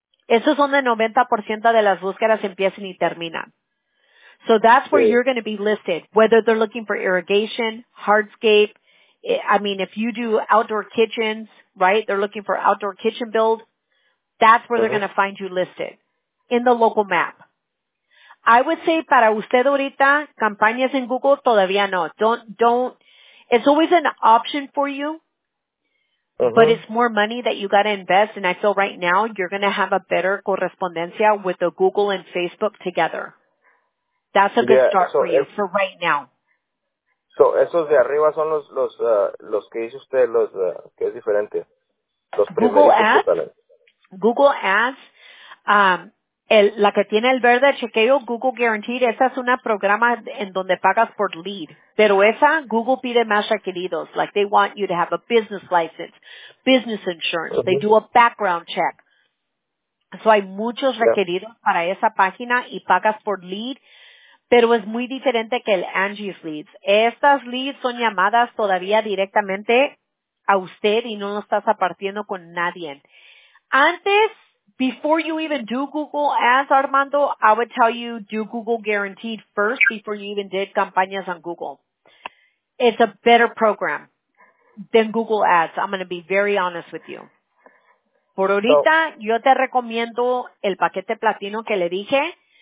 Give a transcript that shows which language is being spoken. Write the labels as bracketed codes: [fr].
[es] Esos son de 90% de las búsquedas empiezan y terminan. [en] So that's where you're going to be listed, whether they're looking for irrigation, hardscape. I mean, if you do outdoor kitchens, right, they're looking for outdoor kitchen build, that's where they're going to find you listed, in the local map. I would say [es] para usted ahorita, campañas en Google, todavía no. [en] Don't. It's always an option for you. But it's more money that you got to invest, and I feel right now you're going to have a better correspondencia with the Google and Facebook together. That's a good start for you for right now. [es] So, esos de arriba son los que dice usted, los que es diferente. Los [en] Google Ads, [es] La que tiene el verde chequeo, Google Guaranteed, esa es una programa en donde pagas por lead. Pero esa, Google pide más requeridos. [en] Like, they want you to have a business license, business insurance. Uh-huh. They do a background check. [es] So hay muchos requeridos para esa página y pagas por lead. Pero es muy diferente que el Angie's Leads. Estas leads son llamadas todavía directamente a usted y no lo estás apartiendo con nadie. Antes, [en] before you even do Google Ads, Armando, I would tell you do Google Guaranteed first before you even did [es] campañas [en] on Google. It's a better program than Google Ads. I'm going to be very honest with you. [es] Por ahorita, yo te recomiendo el paquete platino que le dije.